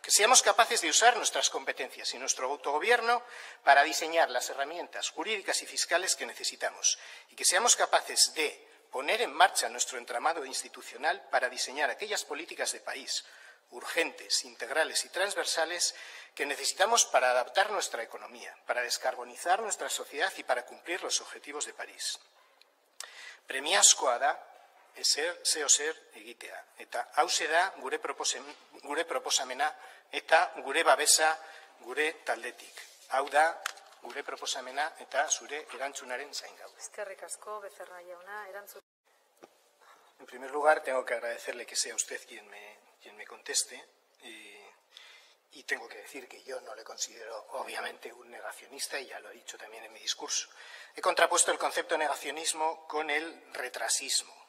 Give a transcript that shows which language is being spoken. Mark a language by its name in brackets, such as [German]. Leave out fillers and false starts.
[Spanish] Que seamos capaces de usar nuestras competencias y nuestro autogobierno para diseñar las herramientas jurídicas y fiscales que necesitamos y que seamos capaces de poner en marcha nuestro entramado institucional para diseñar aquellas políticas de país urgentes, integrales y transversales que necesitamos para adaptar nuestra economía, para descarbonizar nuestra sociedad y para cumplir los objetivos de París. [Basque] Premiazkoa da ezer zeozer egitea. Eta hauxe da gure proposamena eta gure babesa gure taldetik. Hau da gure proposamena eta zure erantzunaren zain gaude. Eskerrik asko, Becerra jauna, erantzun. [Spanish] En primer lugar, tengo que agradecerle que sea usted quien me conteste y tengo que decir que yo no le considero, obviamente, un negacionista y ya lo he dicho también en mi discurso. He contrapuesto el concepto negacionismo con el retrasismo.